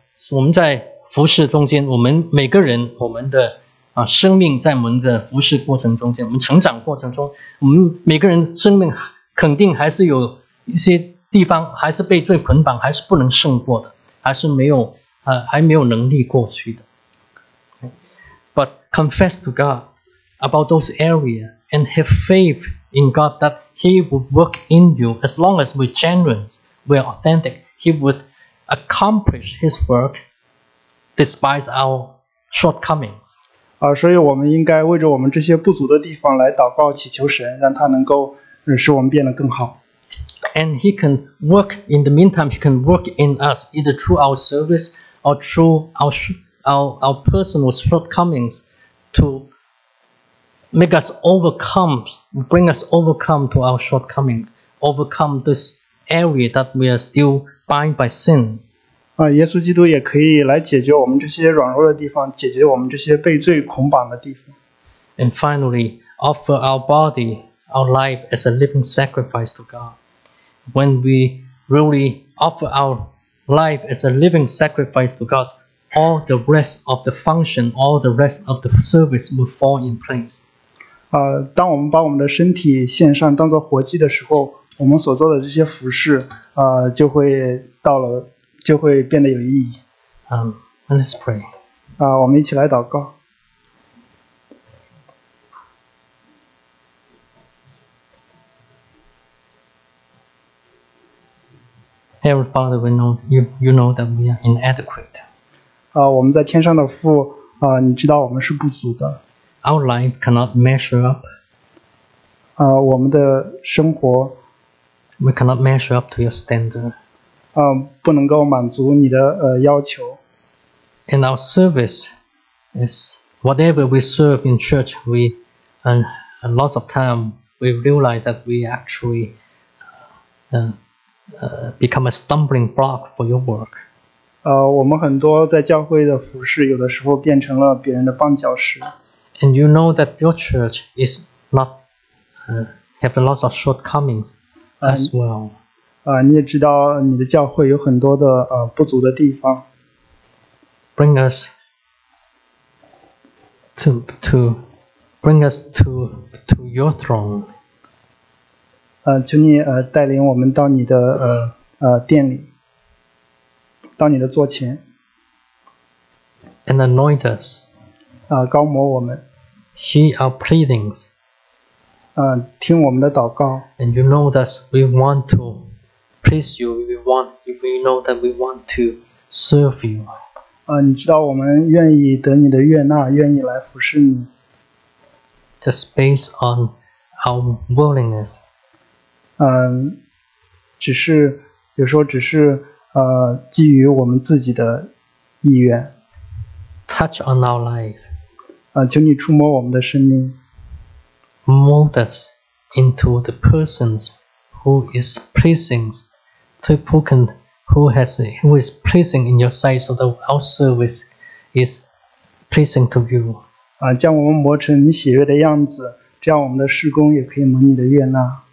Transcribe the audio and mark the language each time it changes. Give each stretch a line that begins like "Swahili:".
Chinese: 我们在服事中间，我们每个人，我们的生命在我们的服事过程中间，我们成长过程中，我们每个人的生命肯定还是有一些地方还是被罪捆绑，还是不能胜过的，还是没有还没有能力过去的。
English: But confess to God about those areas and have faith in God that He would work in you as long as we're genuine, we're authentic. He would accomplish His work despite our shortcomings.
Chinese: 所以我们应该为着我们这些不足的地方来祷告祈求神，让他能够使我们变得更好。
English: And He can work in the meantime, He can work in us either through our service or through our personal shortcomings to make us overcome, bring us overcome to our shortcoming, overcome this area that we are still bound by sin.
Chinese: 耶稣基督也可以来解决我们这些软弱的地方，解决我们这些被罪捆绑的地方。
English: And finally, offer our body, our life as a living sacrifice to God. When we really offer our life as a living sacrifice to God, all the rest of the function, all the rest of the service will fall in place.
Chinese: 当我们把我们的身体献上当作活祭的时候，我们所做的这些服事就会变得有意义。
English: Let's pray.
Chinese: 我们一起来祷告。
English: Heavenly Father, we know you know that we are inadequate.
Chinese: 我们在天上的父你知道我们是不足的。
English: Our life cannot measure up.
Chinese: 我们的生活
English: we cannot measure up to your standard.
Chinese: 不能够满足你的要求。
English: And our service is whatever we serve in church, and lots of time we realize that we actually become a stumbling block for your work.
Chinese: 我们很多在教会的服事，有的时候变成了别人的绊脚石。
English: And you know that your church is not have lots of shortcomings as well.
Chinese: 你也知道你的教会有很多的不足的地方。
English: Bring us to your throne.
Chinese: 求你带领我们到你的殿里。到你的座前。
English: And anoint us.
Chinese: 膏抹我们。
English: Hear our pleadings.
Chinese: 听我们的祷告。
English: And you know that we want to please you. We know that we want to serve you.
Chinese: 你知道我们愿意得你的悦纳，愿意来服侍你。
English: Just based on our willingness.
Chinese: 只是有时候只是基于我们自己的意愿。
English: Touch on our life.
Chinese: 请你触摸我们的生命。
English: Mold us into the persons who is pleasing in your sight, so that our service is pleasing to you.
Chinese: 将我们磨成你喜悦的样子，这样我们的事工也可以蒙你的悦纳。